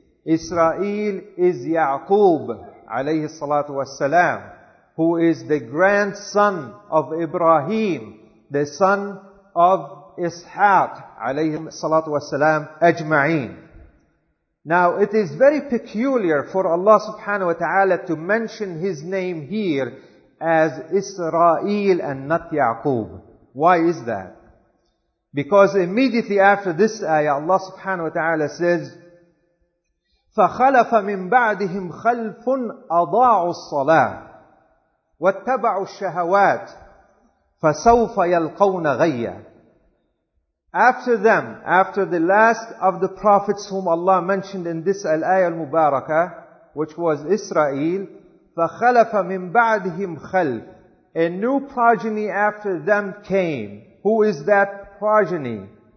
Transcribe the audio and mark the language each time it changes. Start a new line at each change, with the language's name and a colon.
English: Israel is Ya'qub alayhi salatu wassalam, who is the grandson of Ibrahim, the son of Ishaq, alayhim salatu wassalam, ajma'een. Now, it is very peculiar for Allah subhanahu wa ta'ala to mention His name here as Israel and not Ya'qub. Why is that? Because immediately after this ayah, Allah subhanahu wa ta'ala says,
Arabic: فَخَلَفَ مِن بَعْدِهِمْ خَلْفٌ أَضَاعُ الصَّلَاةِ وَاتَّبَعُوا الشَّهَوَاتِ فَسَوْفَ يَلْقَوْنَ غَيَّا.
English: After them, after the last of the prophets whom Allah mentioned in this al-ayah al-mubarakah, which was Israel,
Arabic: فَخَلَفَ مِن بَعْدِهِمْ خَلْفٍ.
English: A new progeny after them came. Who is that progeny?